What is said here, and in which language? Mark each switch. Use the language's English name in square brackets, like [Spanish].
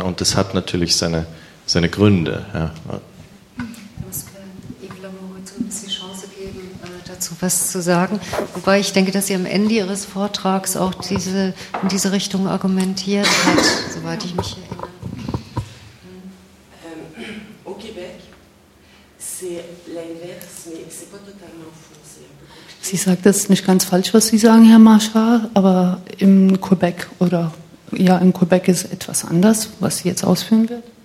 [German] Und das hat natürlich seine Gründe. Ja. Was wäre Yves Lamoureux die Chance geben, dazu was zu sagen? Wobei ich denke, dass sie am Ende ihres Vortrags auch diese, in diese Richtung argumentiert hat, soweit ich mich erinnere. [French] Au Québec, c'est l'inverse, mais c'est pas totalement faux. [German] Sie sagt das nicht ganz falsch, was Sie sagen, Herr Marchard, aber in Quebec oder ja, in Quebec ist etwas anders, was Sie jetzt ausführen wird.